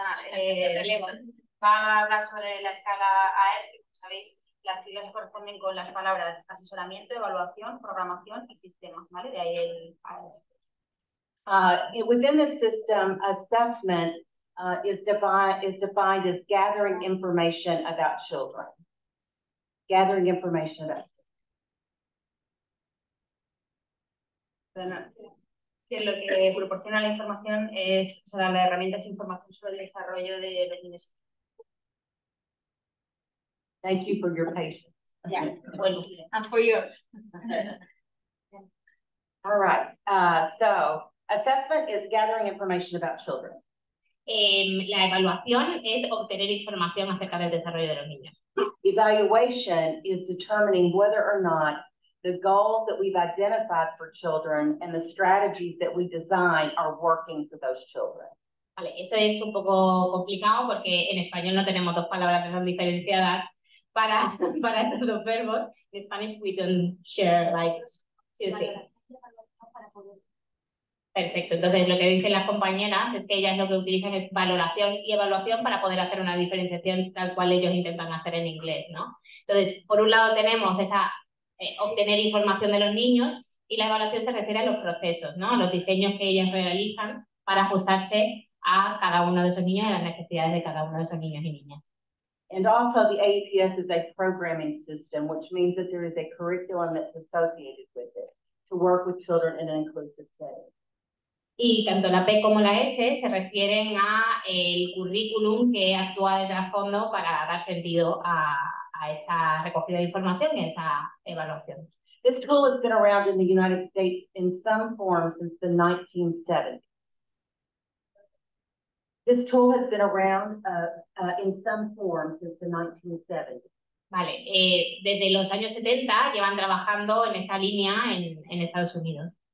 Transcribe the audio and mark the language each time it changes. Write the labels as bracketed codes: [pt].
[es] Va a hablar sobre la escala AES, que como sabéis, las siglas corresponden con las palabras asesoramiento, evaluación, programación y sistemas, ¿vale? De ahí el AES. [en] Within the system, assessment is defined as gathering information about children. Gathering information about children. [es] Que lo que proporciona la información es, o sea, las herramientas e información sobre el desarrollo de los niños. [en] Thank you for your patience. Yeah, well, and for yours. All right, so assessment is gathering information about children. [es] La evaluación es obtener información acerca del desarrollo de los niños. [en] Evaluation is determining whether or not the goals that we've identified for children and the strategies that we design are working for those children. [es] Vale, esto es un poco complicado porque en español no tenemos dos palabras que son diferenciadas para estos dos verbos. [en] In Spanish we don't share like two things. [es] Perfecto, entonces lo que dicen las compañeras es que ellas lo que utilizan es valoración y evaluación para poder hacer una diferenciación tal cual ellos intentan hacer en inglés, ¿no? Entonces, por un lado tenemos esa obtener información de los niños, y la evaluación se refiere a los procesos, ¿no? A los diseños que ellos realizan para ajustarse a cada uno de esos niños y a las necesidades de cada uno de esos niños y niñas. [en] And also the AEPS is a programming system, which means that there is a curriculum that's associated with it to work with children in an inclusive setting. [es] Y tanto la P como la S se refieren a el currículum que actúa de trasfondo para dar sentido a esa recogida de información y a esa evaluación. [en] This tool has been around in the United States in some form since the 1970s. This tool has been around in some form since the 1970s. [es] Vale, desde los años 70 llevan trabajando en esta línea en Estados Unidos.